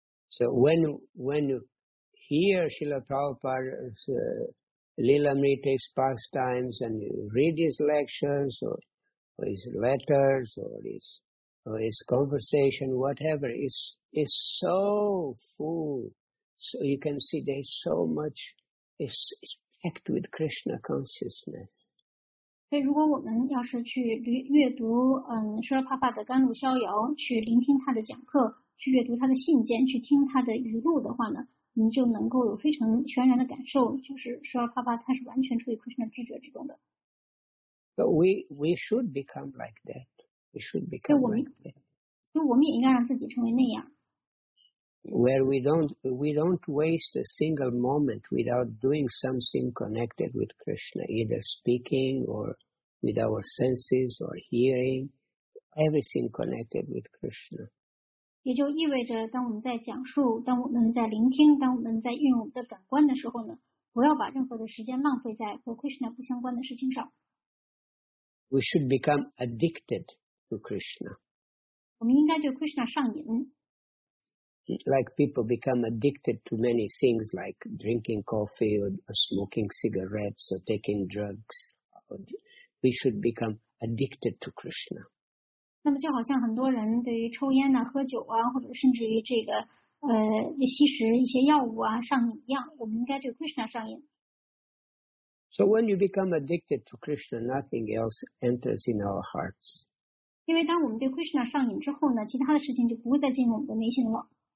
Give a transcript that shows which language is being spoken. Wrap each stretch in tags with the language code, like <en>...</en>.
<en>So when hear Srila Prabhupada's Lilamrita's pastimes and read his lectures or his letters or his conversation, whatever, it's so full. So you can see there's so much, it's packed with Krishna consciousness.</en> <zh>所以如果我们要是去阅读舍勒帕帕的甘露逍遥，去聆听他的讲课，去阅读他的信件，去听他的语录的话呢，你就能够有非常全然的感受，就是舍勒帕帕他是完全处于克什纳知觉之中的。</zh> <en>But we should become like that. We should become like that.</en> <zh>所以我们也应该让自己成为那样。</zh> <en>Where we don't waste a single moment without doing something connected with Krishna, either speaking or with our senses or hearing, everything connected with Krishna.</en> <zh>也就意味着，当我们在讲述，当我们在聆听，当我们在运用我们的感官的时候呢，不要把任何的时间浪费在和 Krishna 不相关的事情上。</zh> <en>We should become addicted to Krishna.</en> <zh>我们应该对 Krishna 上瘾。</zh> <en>Like people become addicted to many things, like drinking coffee or smoking cigarettes or taking drugs. We should become addicted to Krishna.</en> <zh>那么就好像很多人对于抽烟啊、喝酒啊，或者甚至于这个吸食一些药物啊上瘾一样，我们应该对 Krishna 上瘾。</zh> <en>So when you become addicted to Krishna, nothing else enters in our hearts.</en> <zh>因为当我们对 Krishna 上瘾之后呢，其他的事情就不会再进入我们的内心了。</zh>